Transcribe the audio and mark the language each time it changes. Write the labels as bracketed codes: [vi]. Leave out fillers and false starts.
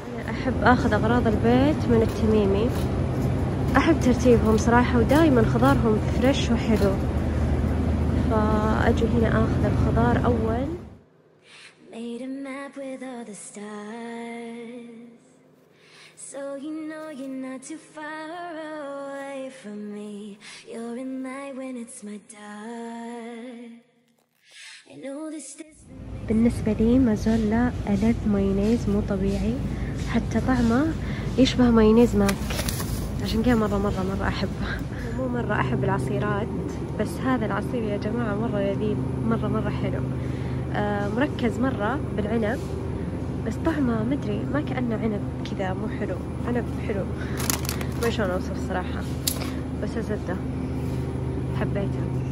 [ar] أحب أخذ أغراض البيت من التميمي، أحب ترتيبهم صراحة، ودائما خضارهم فريش وحلو، فأجي هنا أخذ الخضار أول. [en] Made a map with all the stars, so you know you're not too far away from me. You're in light when it's my dark. [ar] بالنسبة لي مازولا ألذ مايونيز مو طبيعي، حتى طعمه يشبه مايونيز ماك، عشان كذا مرة مرة مرة أحبه. مو مرة أحب العصيرات، بس هذا العصير يا جماعة مرة لذيذ، مرة مرة حلو، مركز مرة بالعنب، بس طعمه مدري ما كأنه عنب كذا، مو حلو، عنب حلو ما شلون أوصف صراحة، بس الزبدة حبيته.